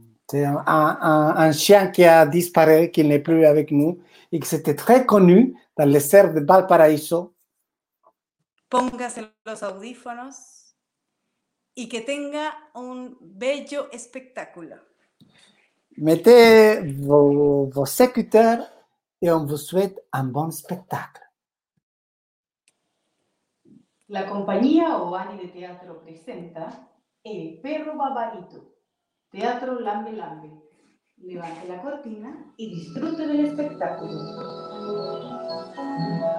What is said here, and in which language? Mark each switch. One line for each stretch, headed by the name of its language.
French: C'est un chien qui a disparu, qui n'est plus avec nous, et qui s'était très connu dans les serres de Valparaíso.
Spanish: Póngase los audífonos y que tenga un bello espectáculo.
French: Mettez vos écouteurs et on vous souhaite un bon spectacle.
Spanish: La compañía Ovani de Teatro presenta El Perro Babarito. Teatro Lambe Lambe. Levante la cortina y disfrute del espectáculo.